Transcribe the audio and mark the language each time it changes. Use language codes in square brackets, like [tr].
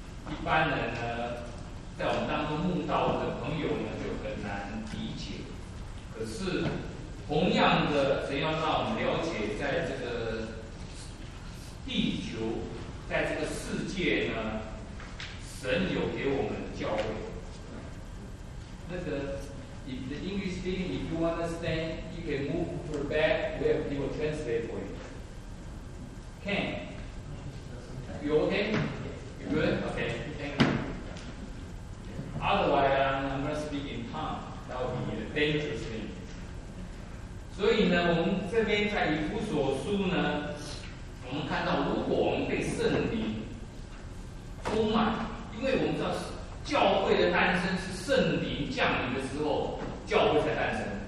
[zh] 一般人呢，在我们当中慕道的朋友呢，就很难理解。可是同样的，神要让我们了解，在这个地球，在这个世界呢，神有给我们教会。 [en] 那个If the English speaking, if you understand, you can move to the back, we have people translate for you. Can? You okay? You good? Okay, thank you. Otherwise, I'm going to speak in tongue. That would be a dangerous thing. [zh] 所以呢，我们这边在以弗所书呢，我们看到，如果我们被圣灵充满，因为我们知道教会的诞生是圣灵降临的时候，教会才诞生。